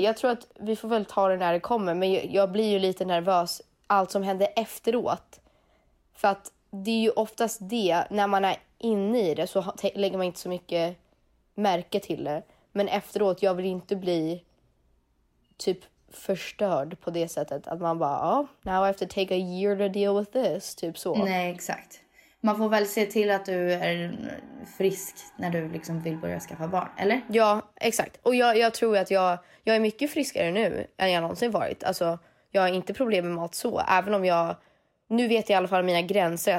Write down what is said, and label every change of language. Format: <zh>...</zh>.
<sv>Jag tror att vi får väl ta det när det kommer, men jag blir ju lite nervös allt som händer efteråt. För att det är ju oftast det, när man är inne i det så lägger man inte så mycket märke till det. Men efteråt, jag vill inte bli typ förstörd på det sättet. Att man bara,</sv> <en>oh, now I have to take a year to deal with this.</en> <sv>Typ så. Nej, exakt. Man får väl se till att du är frisk när du liksom vill börja skaffa barn, eller? Ja, exakt. Och jag tror att jag är mycket friskare nu än jag någonsin varit. Alltså, jag har inte problem med mat så. Även om jag... Nu vet jag i alla fall mina gränser.</sv>